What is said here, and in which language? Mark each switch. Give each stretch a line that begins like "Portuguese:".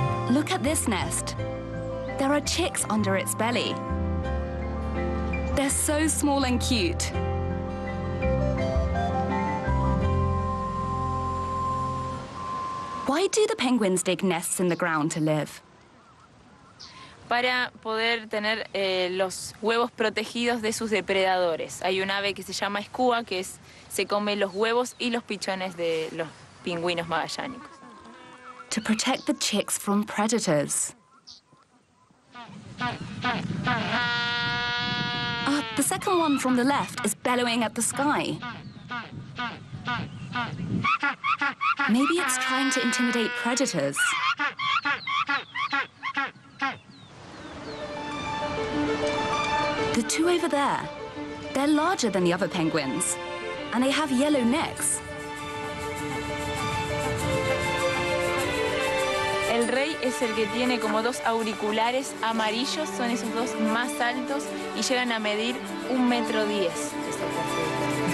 English: Look at this nest. There are chicks under its belly. They're so small and cute. Why do the penguins dig nests in the ground to live?
Spanish: Para poder tener los huevos protegidos de sus depredadores. Hay un ave que se llama escúa que es, se come los huevos y los pichones de los pingüinos magallánicos.
English: To protect the chicks from predators. The second one from the left is bellowing at the sky. Maybe it's trying to intimidate predators. The two over there, they're larger than the other penguins, and they have yellow necks.
Spanish: El rey es el que tiene como dos auriculares amarillos, son esos dos más altos y llegan a medir 1.10 meters.